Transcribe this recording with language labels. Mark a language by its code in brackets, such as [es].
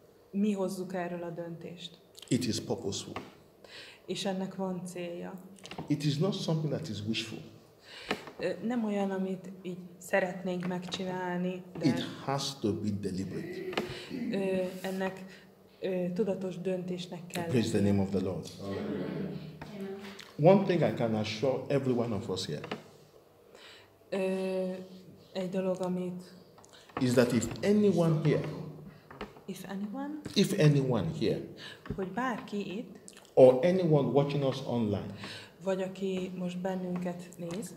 [hu] Mi hozzuk erről a döntést? [en] It is purposeful. [hu] És ennek van célja. [en] It is not something that is wishful. [hu] Nem olyan, amit így szeretnénk megcsinálni, de [en] it has to be deliberate. [hu] Ennek tudatos döntésnek kell. [en] Praise the name of the Lord. Amen. One thing I can assure every one of us here. [hu] Egy dolog, amit [en] is that if anyone here, if anyone here, [hu] hogy bárki itt, [en] or anyone watching us online, [hu] vagy aki most bennünket néz.